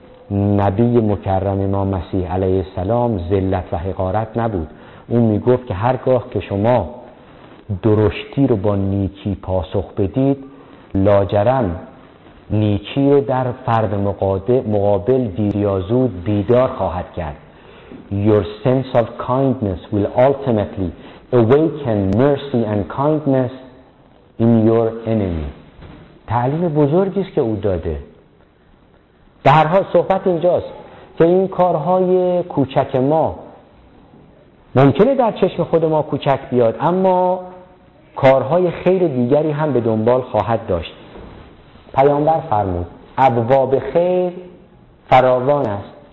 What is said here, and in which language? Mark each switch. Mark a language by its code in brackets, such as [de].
[fa] نبی مکرم ما مسیح علیه السلام ذلت و حقارت نبود. اون میگفت که هرگاه که شما درشتی رو با نیکی پاسخ بدید، لاجرم نیکی رو در فرد مقابل دیر یا زود بیدار خواهد کرد. [en] Your sense of kindness will ultimately awaken mercy and kindness in your enemy. [fa] تعلیم بزرگی است که او داده. به هر حال صحبت اینجاست که این کارهای کوچک ما ممکنه در چشم خود ما کوچک بیاد، اما کارهای خیر دیگری هم به دنبال خواهد داشت. پیامبر فرمود ابواب خیر فراوان است.